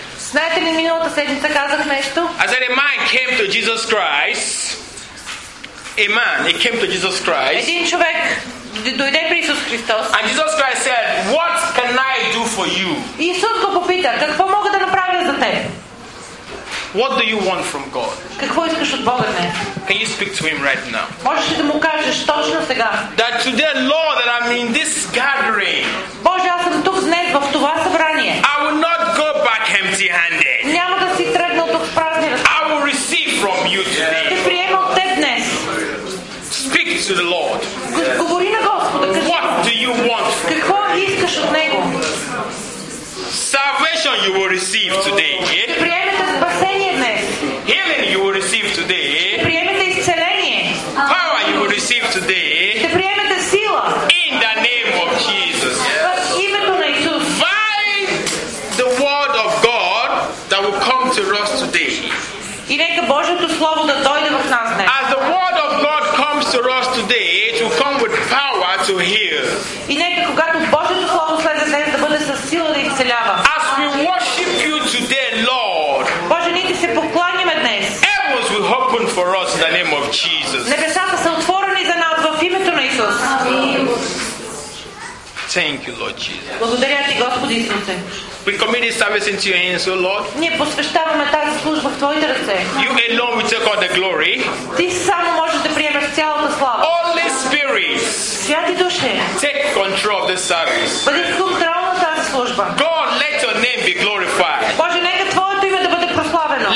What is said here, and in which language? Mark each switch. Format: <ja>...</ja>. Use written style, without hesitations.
<bg>Знаете ли, миналата седмица казах нещо?</bg> <en>I said a man came to Jesus Christ. A man, he came to Jesus Christ.</en> <bg>Един човек дойде при Исус Христос.</bg> <en>And Jesus Christ said, "What can I do for you?"</en> <bg>Исус го попита, какво мога да направя за теб?</bg> <en>What do you want from God?</en> <bg>Какво искаш от Бога, не?</bg> <en>Can you speak to him right now?</en> <bg>Можеш ли да му кажеш точно сега?</bg> <en>That today, Lord, that I'm in this gathering.</en> <bg>Боже, аз съм тук днес в това събрание.</bg> <en>I will not go back empty-handed.</en> <bg>Няма да си тръгна от тук празни ръце.</bg> <en>I will receive from you today.</en> <bg>Ще приема от теб днес.</bg> <en>Speak to the Lord.</en> <bg>Говори на Господа.</bg> <en>What do you want from?</en> <bg>Какво искаш от него?</bg> <en>Salvation you will receive today.</en> <bg>Приемете спасение днес.</bg> <en>Healing you will receive today.</en> <bg>Приемете изцеление.</bg> <en>Power you will receive today.</en> <bg>Приемете сила.</bg> <en>In the name of Jesus.</en> <bg>В името на Исус.</bg> <en>By the word of God that will come to us today.</en> <bg>И нека Божието слово да дойде в нас днес.</bg> <en>As the word of God comes to us today, it will come with power to heal.</en> <bg>И нека когато Божието слово слезе днес, да бъде със сила да изцелява.</bg> <en>As we worship you today, Lord.</en> <bg>Боже, ние ти се покланяме днес.</bg> <en>Heavens will open for us in the name of Jesus.</en> <bg>Небесата са отворени за нас в името на Исус.</bg> <en>Thank you, Lord Jesus.</en> <bg>Благодаря ти, Господи Исусе.</bg> <en>We commit this service into your hands, O Lord.</en> <bg>Ние посвещаваме тази служба в Твоите ръце.</bg> <en>You alone will take all the glory.</en> <bg>Ти само можеш да приемеш цялата слава.</bg> <en>Holy Spirit.</en> <bg>Святи Душе.</bg> <en>Take control of this service.</en> <bg>Бъди в контрол на тази служба.</bg> <en>God, let your name be glorified.</en> <bg>Боже, нека Твоето име да бъде прославено.</bg>